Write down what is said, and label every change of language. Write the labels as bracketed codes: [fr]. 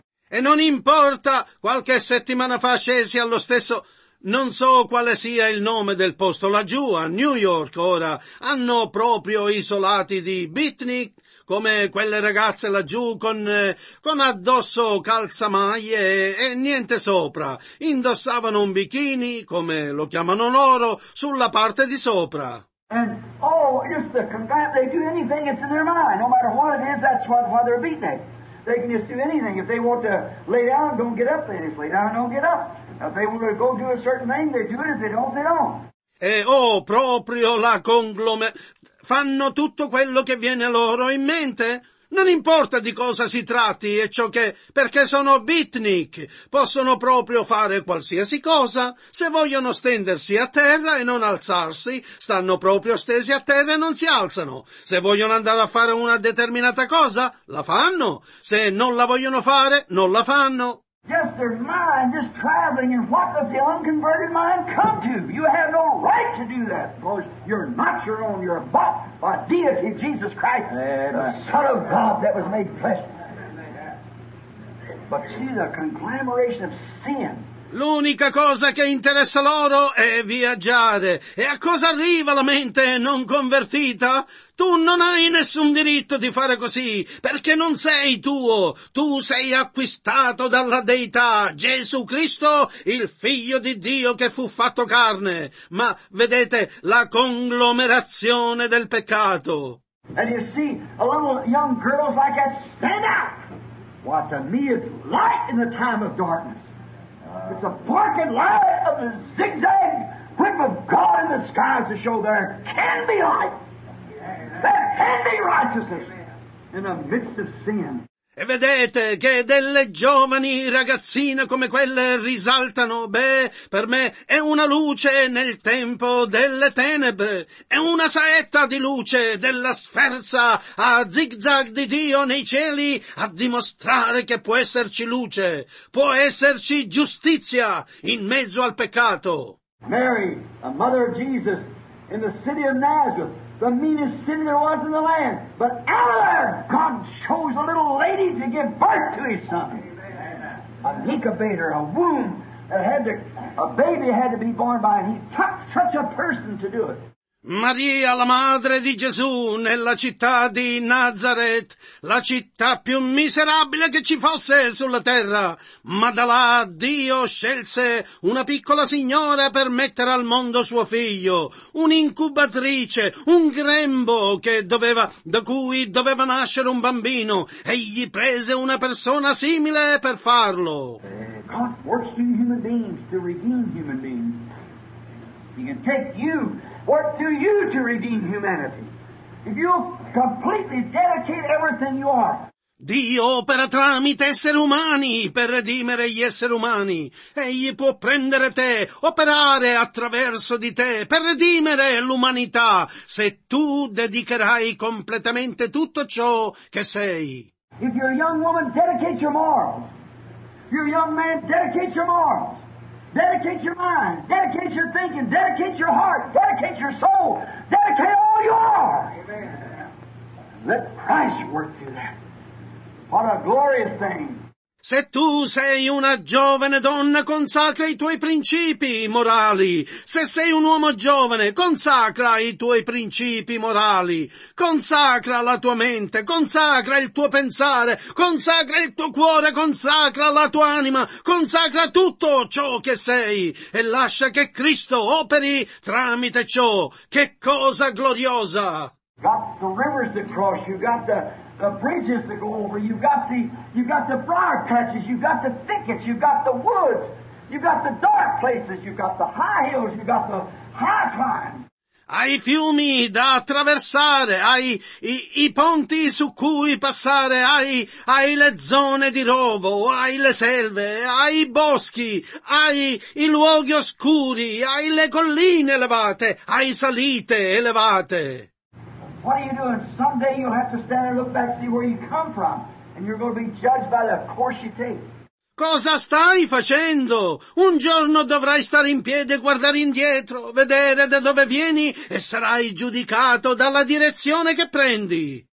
[it] E non importa, qualche settimana fa scesi allo stesso, non so quale sia il nome del posto laggiù, a New York ora, hanno proprio isolati di beatnik, come quelle ragazze laggiù con addosso calzamaglie e niente sopra, indossavano un bikini, come lo chiamano loro, sulla parte di sopra. [en] And oh, just the combat, they do anything that's in their mind. No matter what it is, that's why they're beatnik. They can just do anything. If they want to lay down, don't get up. They just lay down and don't get up. If they want to go do a certain thing, they do it. If they don't, they don't. [it] E oh, proprio la conglomerazione. Fanno tutto quello che viene loro in mente? Non importa di cosa si tratti e ciò che... perché sono beatnik, possono proprio fare qualsiasi cosa. Se vogliono stendersi a terra e non alzarsi, stanno proprio stesi a terra e non si alzano. Se vogliono andare a fare una determinata cosa, la fanno. Se non la vogliono fare, non la fanno. [en] Just their mind, just traveling, and what does the unconverted mind come to? You have no right to do that, because you're not your own, you're bought by deity Jesus Christ, the Son of God that was made flesh. But see the conglomeration of sin. [it] L'unica cosa che interessa loro è viaggiare. E a cosa arriva la mente non convertita? Tu non hai nessun diritto di fare così, perché non sei tuo. Tu sei acquistato dalla Deità, Gesù Cristo, il Figlio di Dio che fu fatto carne. Ma vedete la conglomerazione del peccato. [en] And you see, a little young girl like that, stand out! What to me is light in the time of darkness. It's a parking lot of the zigzag whip of God in the skies to show there can be light, there can be righteousness in the midst of sin. [it] E vedete che delle giovani ragazzine come quelle risaltano, beh, per me è una luce nel tempo delle tenebre, è una saetta di luce della sferza a zigzag di Dio nei cieli a dimostrare che può esserci luce, può esserci giustizia in mezzo al peccato. [en] Mary, a mother of Jesus, in the city of Nazareth. The meanest city there was in the land. But out of there, God chose a little lady to give birth to his son. An incubator, a womb that had to, a baby had to be born by, and he took such a person to do it. [it] Maria, la madre di Gesù, nella città di Nazareth, la città più miserabile che ci fosse sulla terra. Ma da là Dio scelse una piccola signora per mettere al mondo suo figlio, un'incubatrice, un grembo che doveva, da cui doveva nascere un bambino, e gli prese una persona simile per farlo. [en] God works in human beings to redeem human beings. He can take you, work through you to redeem humanity. If you'll completely dedicate everything you are. [it] Dio opera tramite esseri umani per redimere gli esseri umani. Egli può prendere te, operare attraverso di te per redimere l'umanità se tu dedicherai completamente tutto ciò che sei. [en] If you're a young woman, dedicate your morals. If you're a young man, dedicate your morals. Dedicate your mind, dedicate your thinking, dedicate your heart, dedicate your soul, dedicate all you are. Amen. Let Christ work through that. What a glorious thing. [it] Se tu sei una giovane donna, consacra i tuoi principi morali. Se sei un uomo giovane, consacra i tuoi principi morali. Consacra la tua mente, consacra il tuo pensare, consacra il tuo cuore, consacra la tua anima, consacra tutto ciò che sei e lascia che Cristo operi tramite ciò. Che cosa gloriosa! [en] Got the rivers to cross, you got the bridges to go over, you got the briar patches, you got the thickets, you got the woods, you got the dark places, you got the high hills, you got the high climbs. [it] Hai fiumi da attraversare, hai i ponti su cui passare, hai le zone di rovo, hai le selve, hai i boschi, hai i luoghi oscuri, hai le colline elevate, hai salite elevate. [en] What are you doing? Someday you'll have to stand and look back and see where you come from, and you're going to be judged by the course you take. [it] Cosa stai facendo? Un giorno dovrai stare in piedi e guardare indietro, vedere da dove vieni e sarai giudicato dalla direzione che prendi.